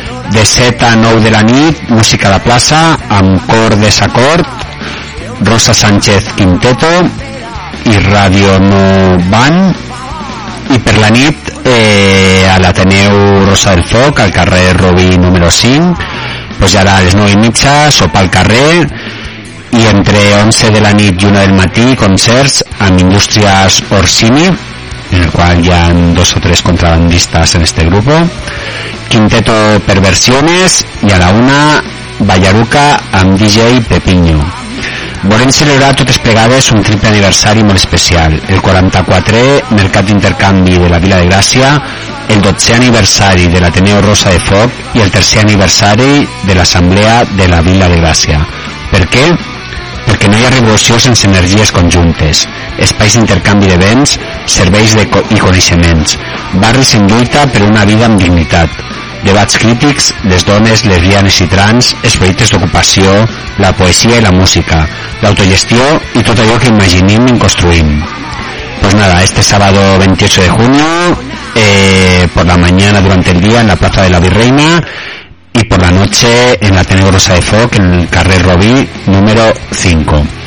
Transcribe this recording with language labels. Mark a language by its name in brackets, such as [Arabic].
[Catalan] De 7 a 9 de la nit, música a la plaça, amb cor desacord, Rosa Sánchez Quinteto i Radio No Van. I per la nit, a l'Ateneu Rosa del Foc, al carrer Robí número 5, pues ja a les 9 i mitja, sopa al carrer. [Spanish] Y entre 11 [Catalan] de la nit [Spanish] y 1 [Catalan] del matí, [Spanish] concerts en Industrias Orsini, en el cual ya han dos o tres contrabandistas en este grupo. Quinteto Perversiones y a la 1, Ballaruca amb DJ Pepiño. [Catalan] Volem celebrar totes plegades un triple aniversari molt especial. El 44è Mercat d'Intercanvi de la Vila de Gràcia, el 12è aniversari de l'Ateneu Rosa de Foc i el 3è aniversari de l'Assemblea de la Vila de Gràcia. Per què? Perquè no hi ha revolució sense energies conjuntes, espais d'intercanvi de béns, serveis i coneixements, barris en lluita per una vida amb dignitat, debats crítics, les dones, lesbianes i trans, esperits d'ocupació, la poesia i la música, l'autogestió i tot allò que imaginem i construïm. [Spanish] Pues nada, este sábado 28 de junio, por la mañana durante el día en la Plaza de la Virreina y por la noche en la Ateneo Rosa de Foc, en el Carrer Robí, número 5.